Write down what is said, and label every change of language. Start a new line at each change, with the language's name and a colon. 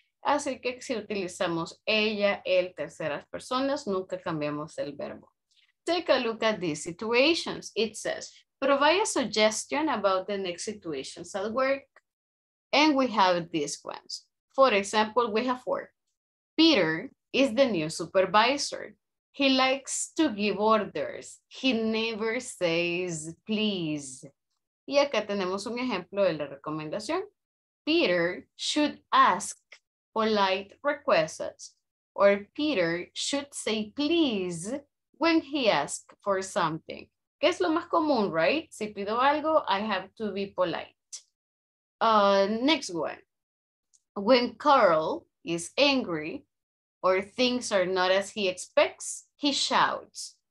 Spanish: Así que si utilizamos ella, él, terceras personas, nunca cambiamos el verbo.
English: Take a look at these situations. It says, provide a suggestion about the next situations at work. And we have these ones. For example, we have four. Peter is the new supervisor. He likes to give orders. He never says please.
Spanish: Y acá tenemos un ejemplo de la recomendación.
English: Peter should ask polite requests, or Peter should say please when he asks for something.
Spanish: ¿Qué es lo más común, right? Si pido algo,
English: I have to be polite. Next one. When Carl is angry or things are not as he expects, he shouts.